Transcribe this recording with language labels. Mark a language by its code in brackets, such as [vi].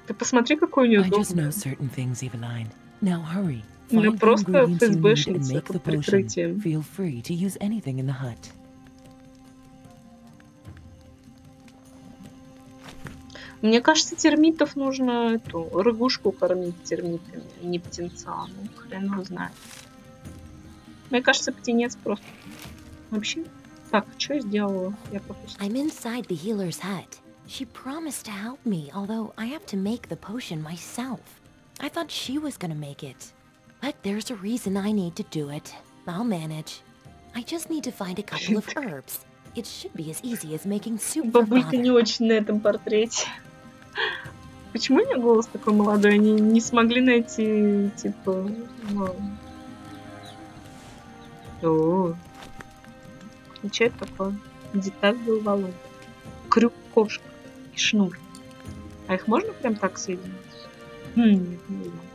[ru] Ты посмотри, какой у неё удобный. [en] I just know certain things, Eveline. Now hurry. [ru] Ну просто ФСБшница под прикрытием. [en] Feel free to use anything in the hut. [ru] Мне кажется, термитов нужно эту рыгушку кормить термитами, а не птенца. Ну, хрен его знает. Мне кажется, птенец просто. Вообще. Так, что я сделала? Я пропустила. [en] I'm inside the healer's hut. She promised to help me, although I have to make the potion myself. I thought she was gonna make it. But there's a reason I need to do it. I'll manage. I just need to find a couple of herbs. It should be as easy as making soup. [ru] Бабулька не очень на этом портрете. Почему у нее голос такой молодой? Они не смогли найти, типа... Ну, что это такое? Деталь был волок. Крюк, кошка и шнур. А их можно прям так соединить? Нет, не знаю.